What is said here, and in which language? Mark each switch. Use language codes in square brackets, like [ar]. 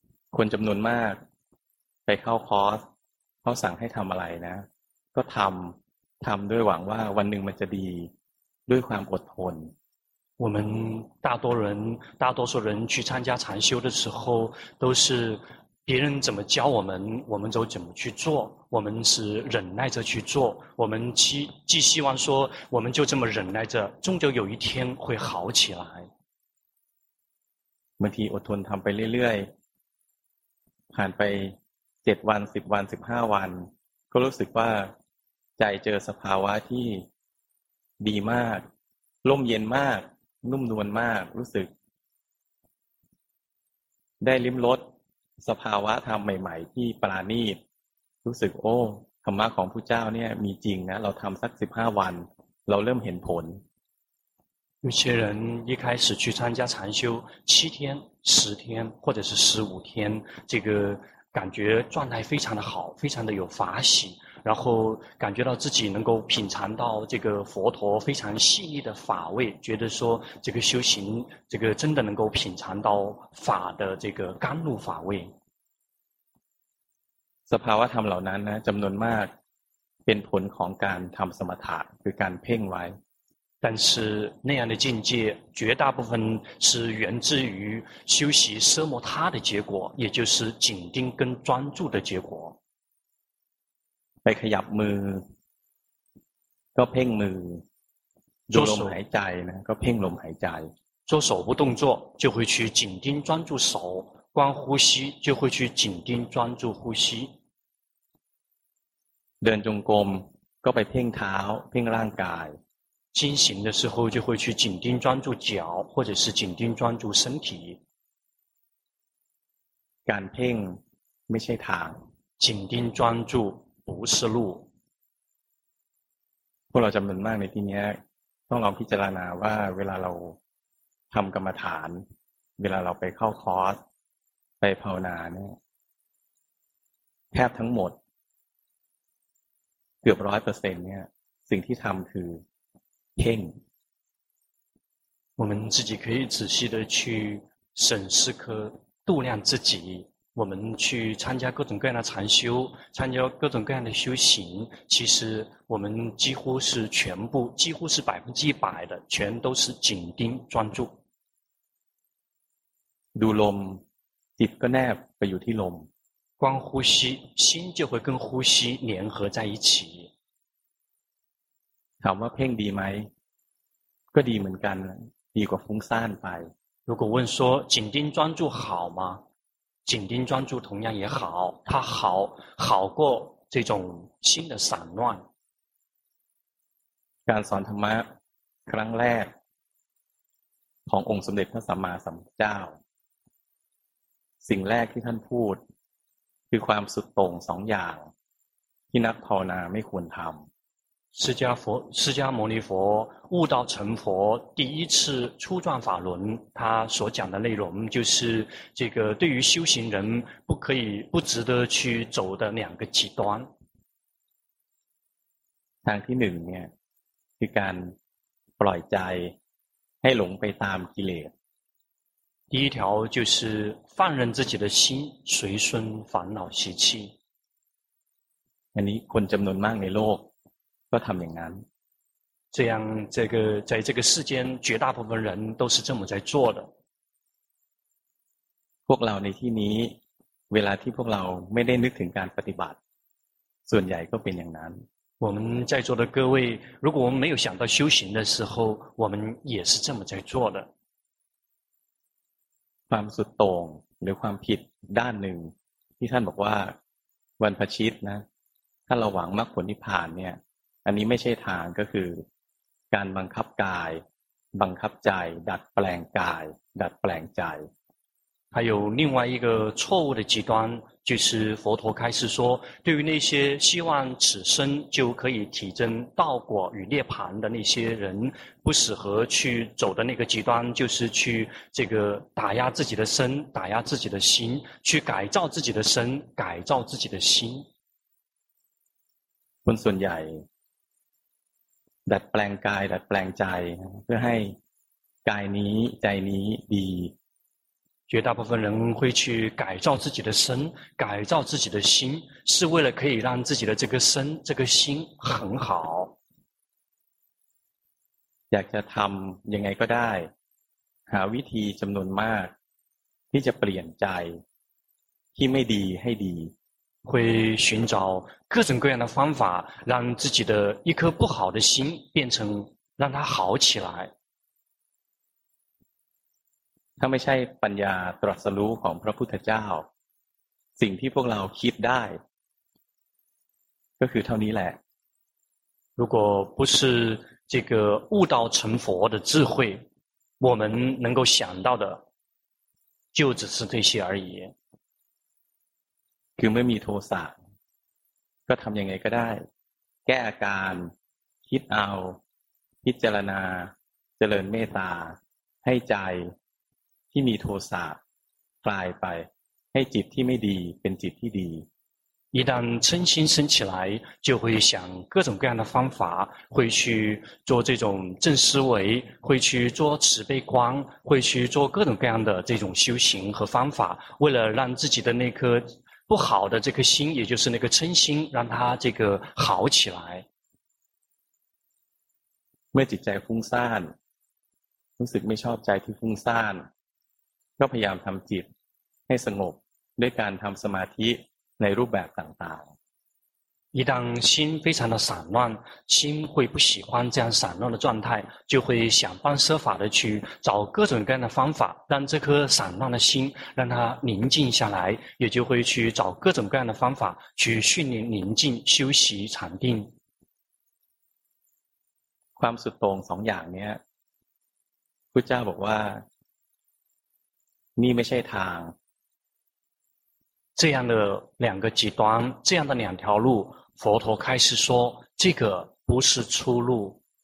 [th] คนจำนวนมากไปเข้าคอร์สเขาสั่งให้ทำอะไรนะก็ทำด้วยหวังว่าวันหนึ่งมันจะดีด้วยความอดทน [zh] 我们大多数人去参加禅修的时候都是别人怎么教我们就怎么去做，我们是忍耐着去做，我们既希望说我们就这么忍耐着，终究有一天会好起来。 [th] บางทีอดทนทำไปเรื่อยๆผ่านไป7วัน10วัน15วันก็รู้สึกว่าใจเจอสภาวะที่ดีมากร่มเย็นมากนุ่มนวลมากรู้สึกได้ลิ้มรสสภาวะธรรมใหม่ๆที่ปราณีตรู้สึกโอ้ธรรมะของพุทธเจ้าเนี่ยมีจริงนะเราทำสัก15วันเราเริ่มเห็นผล [zh] 有些人一开始去参加禅修7天10天或者是15天这个感觉状态非常的好非常的有法喜然后感觉到自己能够品尝到这个佛陀非常细腻的法味觉得说这个修行这个真的能够品尝到法的这个甘露法味 [th] สภาวะธรรมเหล่านั้นนะจำนวนมากเป็นผลของการทำสมถะคือการเพ่งไว้ [zh] 但是那样的境界绝大部分是源自于修习奢摩他的结果也就是紧盯跟专注的结果 [th] ไปขยับมือก็เพ่งมือดูลมหายใจนะก็เพ่งลมหายใจ [zh] 做手不动作就会去紧盯专注手观呼吸就会去紧盯专注呼吸 [th] เดินจงกรมก็ไปเพ่งเท้าเพ่งร่างกาย [zh] 进行的时候就会去紧盯专注脚或者是紧盯专注身体 [th] การเพ่งไม่ใช่ทาง [zh] 紧盯专注不是路 [th] พวกเราจำนวนมากในที่นี้ต้องลองพิจารณาว่าเวลาเราทำกรรมฐานเวลาเราไปเข้าคอร์สไปภาวนาเนี่ยแทบทั้งหมดเกือบ 100% เนี่ยสิ่งที่ทำคือเพ่ง [zh] 我们自己可以仔细的去审视和度量自己我们去参加各种各样的禅修参加各种各样的修行其实我们几乎是全部几乎是百分之一百的全都是紧盯专注 [th] ดูลมจิตก็แนบไปอยู่ที่ลม [zh] 光呼吸心就会跟呼吸联合在一起 [th] ถามว่าเพ่งดีไหมก็ดีเหมือนกันดีกว่าฟุ้งซ่านไป [zh] 如果问说紧盯专注好吗紧盯专注同样也好它好好过这种心的散乱 [th] การสอนธรรมะครั้งแรกขององค์สมเด็จพระสัมมาสัมพุทธเจ้าสิ่งแรกที่ท่านพูดคือความสุดโต่งสองอย่างที่นักภาวนาไม่ควรทำ [zh] 释迦牟尼佛悟道成佛第一次初转法轮他所讲的内容就是这个对于修行人不可以不值得去走的两个极端 [th] ทางที่หนึ่งเนี่ยคือการปล่อยใจให้หลงไปตามกิเลส [zh] 第一条就是放任自己的心随顺烦恼习气 [th] อันนี้คนจำนวนมากในโลกก็ทำอย่างนั้น [zh] 这样这个在这个世间绝大部分人都是这么在做的 [th] พวกเราในที่นี้เวลาที่พวกเราไม่ได้นึกถึงการปฏิบัติส่วนใหญ่ก็เป็นอย่างนั้น [zh] 我们在座的各位如果我们没有想到修行的时候我们也是这么在做的 [th] ความสุดโต่งหรือความผิดด้านหนึ่งที่ท่านบอกว่าวันพชิตนะถ้าเราหวังมรรคผลนิพพานเนี่ยอันนี้ไม่ใช่ทางก็คือการบังคับกายบังคับใจดัดแปลงกายดัดแปลงใจ [zh] 还有另外一个错误的极端，就是佛陀开始说，对于那些希望此生就可以体证道果与涅槃的那些人，不适合去走的那个极端，就是去这个打压自己的身，打压自己的心，去改造自己的身，改造自己的心。 [th] คนส่วนใหญ่ดัดแปลงกายดัดแปลงใจเพื่อให้กายนี้ใจนี้ดี [zh] 绝大部分人会去改造自己的身，改造自己的心，是为了可以让自己的这个身、这个心很好。 [th] อยากจะทำยังไงก็ได้หาวิธีจำนวนมากที่จะเปลี่ยนใจที่ไม่ดีให้ดี [zh] 会寻找各种各样的方法，让自己的一颗不好的心变成让它好起来。 [th] ถ้าไม่ใช่ปัญญาตรัสรู้ของพระพุทธเจ้าสิ่งที่พวกเราคิดได้ก็คือเท่านี้แหละ [zh] 如果不是这个悟道成佛的智慧我们能够想到的就只是这些而已 [th] คือไม่มีโทสะก็ทำยังไงก็ได้แก้อาการคิดเอาพิจารณาเจริญเมตตาให้ใจที่มีโทสะกลายไปให้จิตที่ไม่ดีเป็นจิตที่ดี [zh] 一旦嗔心升起来就会想各种各样的方法会去做这种正思维会去做慈悲观会去做各种各样的这种修行和方法为了让自己的那颗不好的这颗心也就是那个嗔心让它这个好起来 [th] เมื่อจิตใจฟุ้งซ่านรู้สึกไม่ชอบใจที่ฟุ้งซ่านก็พยายามทำจิตให้สงบด้วยการทำสมาธิในรูปแบบต่าง [zh] ๆ一旦心非常的散乱心会不喜欢这样散乱的状态就会想方设法的去找各种各样的方法让这颗散乱的心让它宁静下来也就会去找各种各样的方法去训练宁静休息禅定 [th] ความสุดตรง2อย่างเนี้ยพุทธเจ้าบอกว่านี่ไม่ใช่ทาง [zh] 这样的两个极端这样的两条路佛陀开始说这个不是出路